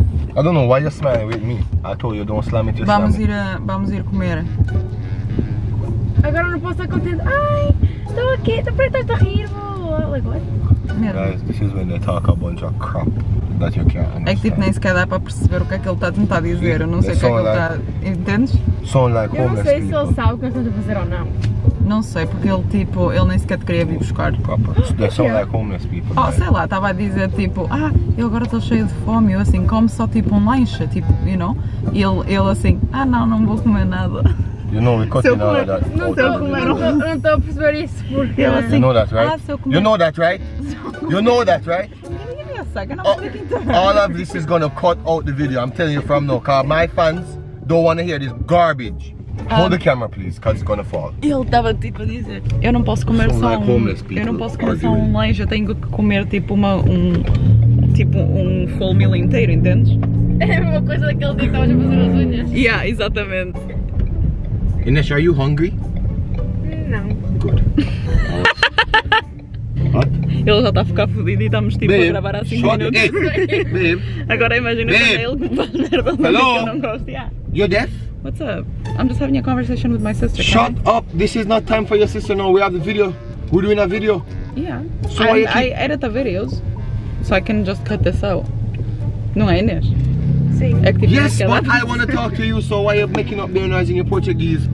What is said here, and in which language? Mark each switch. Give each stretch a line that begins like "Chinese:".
English: I don't know why you're smiling with me. I told you don't slam it, just
Portuguese: vamos
English: slam
Portuguese: ir,
English: it.
Portuguese: Vamos ir comer. Agora não posso estar contente. Ai, estou aqui, estou preto, estou rindo.
English: Like what? Guys, this is when they talk a bunch of crap that you can't understand.
Portuguese: É que tipo nem sequer dá para perceber o que é que ele está a tentar dizer. Eu não sei o que é que ele está... Entendes?
English: Sound like homeless people.
Portuguese: Eu não sei se ele sabe o que eu estou a fazer ou não. Não sei, porque ele tipo, ele nem sequer te queria vir buscar.
English: Proper. They sound like homeless people.
Portuguese: Oh, sei lá, estava a dizer tipo, ah, eu agora estou cheio de fome. Eu assim, como só tipo um lanche, tipo,
English: you know?
Portuguese: E ele assim, ah não, não vou comer nada.
English: You know, we're cutting all of that. No, you know that, right? You know that, right? You know that, right? All of this is gonna cut out the video. I'm telling you from now, cause my fans don't wanna hear this garbage. Hold the camera, please, cause it's gonna fall.
Portuguese: Ele tava tipo a dizer, eu não posso comer só um, eu não posso comer só um lanche, eu tenho que comer tipo uma um
English: full meal
Portuguese: inteiro, entendes? É a mesma coisa daquele dia que estavas a fazer as unhas.
English: Yeah,
Portuguese: exatamente.
English: Inês, are you hungry?
Portuguese: Não.
English: Good.
Portuguese: Ele já está a ficar fodido e estamos tipo a gravar há 5 minutos.
English: Babe.
Portuguese: Agora imagina que é ele que faz merda que eu não gosto.
English: Yeah. You're deaf? What's up? I'm just having a conversation with my sister. Shut up! This is not time for your sister now. We have the video. We're doing a video. Yeah. So I edit the videos. So I can just cut this out.
Portuguese: Não é, Inês? Sim.
English: Yes, but I want to talk to you, so why are you making up their noise in your Portuguese?